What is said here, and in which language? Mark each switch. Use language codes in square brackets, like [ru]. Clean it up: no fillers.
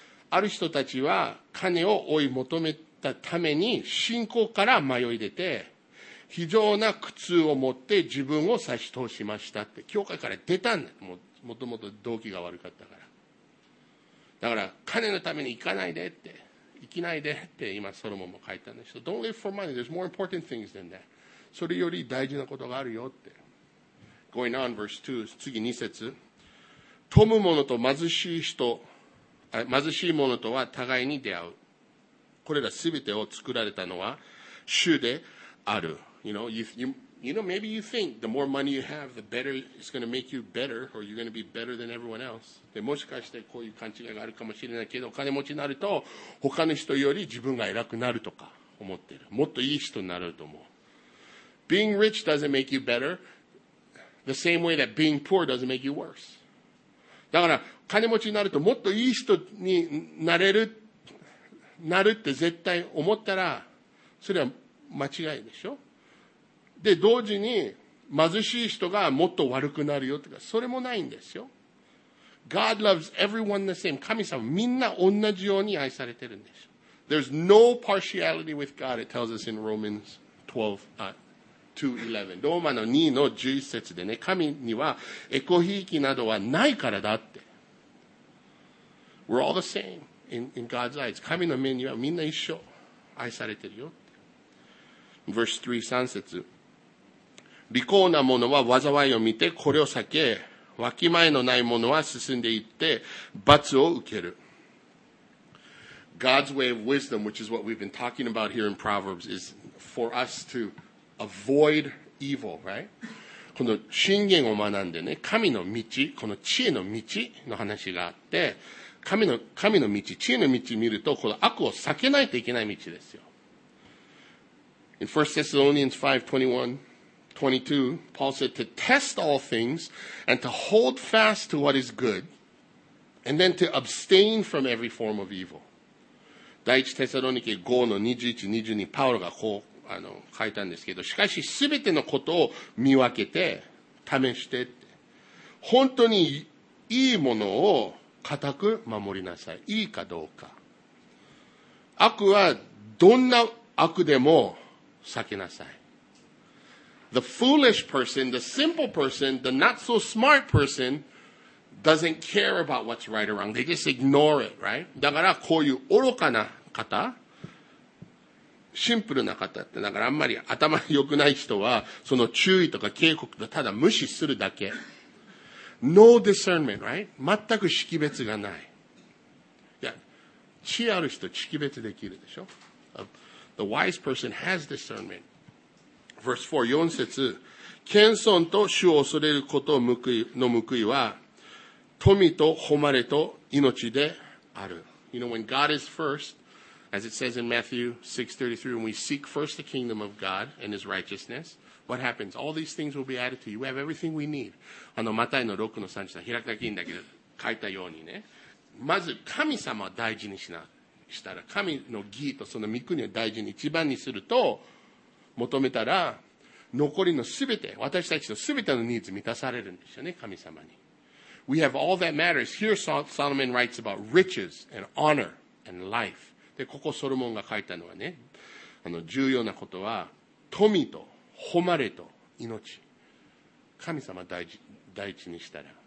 [ja] ある人たちは金を追い求めたために信仰から迷い出て、非常な苦痛を持って自分を差し通しましたって教会から出たんだ。もともと動機が悪かったから。だから金のために行かないでって、行きないでって今ソロモンも書いたんでしょ。 [en] Don't live for money. There's more important things than that. [ja] それより大事なことがあるよって。 [en] Going on verse 2, [ja] 次2節。富む者と貧しい人、貧しい者とは互いに出会う。これら全てを作られたのは主である。 [en] You know, maybe you think the more money you have, the better it's going to make you better, or you're going to be better than everyone else. [ja] でもしかしてこういう勘違いがあるかもしれないけど、お金持ちになると他の人より自分が偉くなるとか思ってる。もっといい人になると思う。 [en] Being rich doesn't make you better, the same way that being poor doesn't make you worse. [ja] だから金持ちになるともっといい人になれる、なるって絶対思ったら、それは間違いでしょ。で同時に貧しい人がもっと悪くなるよとか、それもないんですよ。 [en] God loves everyone the same. [ja] 神様みんな同じように愛されてるんですよ。 [en] There's no partiality with God, it tells us in Romans 2:11. [ja] ローマの2の11節でね、神にはエコひいきなどはないからだって。 [en] We're all the same in God's eyes. [ja] 神の目にはみんな一緒愛されてるよ。 [en] Verse 3, [ja] 3節。利口な者は災いを見てこれを避け、わきまえのない者は進んでいって罰を受ける。 [en] God's way of wisdom, which is what we've been talking about here in Proverbs, is for us to avoid evil, right? [ja] この箴言を学んでね、神の道、この知恵の道の話があって、神の道、知恵の道を見ると、この悪を避けないといけない道ですよ。 [en] In 1 Thessalonians 5:21-22, Paul said to test all things and to hold fast to what is good and then to abstain from every form of evil. [ja] 第1テサロニケ 5:21-22, パウロがこう書いたんですけど、しかしすべてのことを見分けて試してって。本当にいいものを固く守りなさい。いいかどうか。悪はどんな悪でも避けなさい。 [en] The foolish person, the simple person, the not so smart person doesn't care about what's right or wrong. They just ignore it, right? [ja] だからこういう愚かな方、シンプルな方って、だからあんまり頭良くない人は、その注意とか警告とただ無視するだけ。 [en] No discernment, right? [ja] 全く識別がない。いや、知ある人識別できるでしょ。 [en] The wise person has discernment. Verse 4, [ja] 4節。謙遜と主を恐れることの報いは、富と誉れと命である。 [en] You know, when God is first, As it says in Matthew 6:33, when we seek first the kingdom of God and his righteousness, what happens? All these things will be added to you. We have everything we need. [ja] マタイの6の3章、開くだけいいんだけど、書いたようにね。まず神様を大事にしたら、神の義とその御国を大事に一番にすると、求めたら、残りの全て、私たちの全ての needs満たされるんですよね、神様に。 [en] We have all that matters. Here Solomon writes about riches and honor and life. [ja] で、ここソロモンが書いたのはね、重要なことは、富と誉れと命。神様大事にしたら。